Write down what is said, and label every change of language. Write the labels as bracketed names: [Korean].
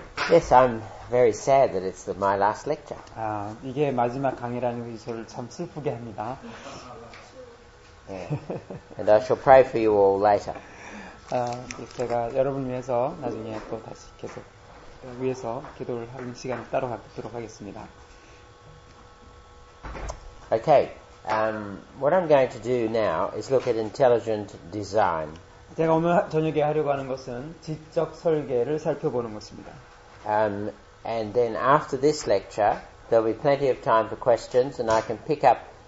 [English] Yes, I'm very sad that it's my last lecture. [Korean] 아, 이게 마지막 강의라는 것이 저를 참 슬프게 합니다. [English] Yeah. And I shall pray for you all later. [Korean] 아, 제가 여러분을 위해서 나중에 또 다시 계속 위해서 기도를 하는 시간 따로 갖도록 하겠습니다. [English] Okay. What I'm going to do now is look at intelligent design. [Korean] 제가 오늘 저녁에 하려고 하는 것은 지적 설계를 살펴보는 것입니다. [English] And then after this lecture, there'll be plenty of time for questions, and I can pick up.